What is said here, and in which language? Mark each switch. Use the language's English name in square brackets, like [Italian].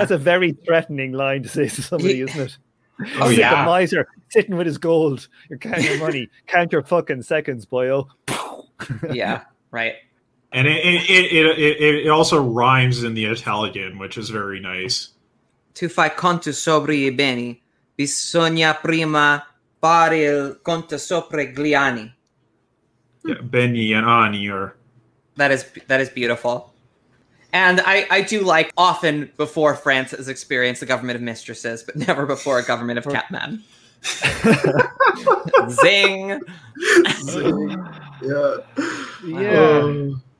[English] That's a very threatening line to say to somebody, isn't it? Oh, yeah. The miser sitting with his gold, you're counting your money, count your fucking seconds, boyo. Yeah, right. And it also rhymes in the Italian, which is very nice. [Italian] Tu fai conto sopra I beni, bisogna prima fare il conto sopra gli anni. [English] Yeah, Benny and Annie are... That is beautiful. And I do like, often before France has experienced the government of mistresses, but never before a government of cat men. Zing! Zing. Yeah. Yeah.